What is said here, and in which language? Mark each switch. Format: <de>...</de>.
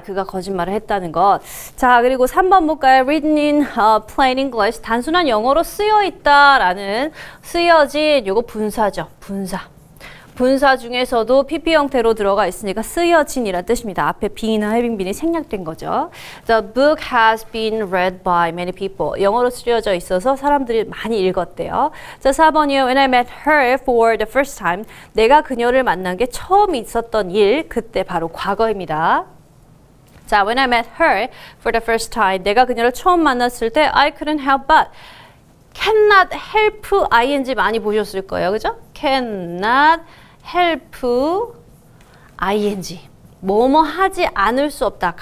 <ko>그가 거짓말을 했다는 것. 자, 그리고 3번 볼까요?</ko> <en>Written in plain English.</en> <ko>단순한 영어로 쓰여 있다라는 쓰여진 요거 분사죠. 분사. 분사 중에서도 PP 형태로 들어가 있으니까 쓰여진이라는 뜻입니다. 앞에 being이나 having been이 생략된 거죠.</ko> <en>The book has been read by many people.</en> <ko>영어로 쓰여져 있어서 사람들이 많이 읽었대요. 자, 4번이요.</ko> <en>When I met her for the first time.</en> <ko>내가 그녀를 만난 게 처음 있었던 일. 그때 바로 과거입니다. 자,</ko> <en>when I met her for the first time,</en> <ko>내가 그녀를 처음 만났을 때</ko> <en>I couldn't help but cannot help ing</en> <ko>많이 보셨을 거예요. 그죠?</ko> <en>cannot help ing</en> <ko>뭐뭐 하지 않을 수 없다.</ko>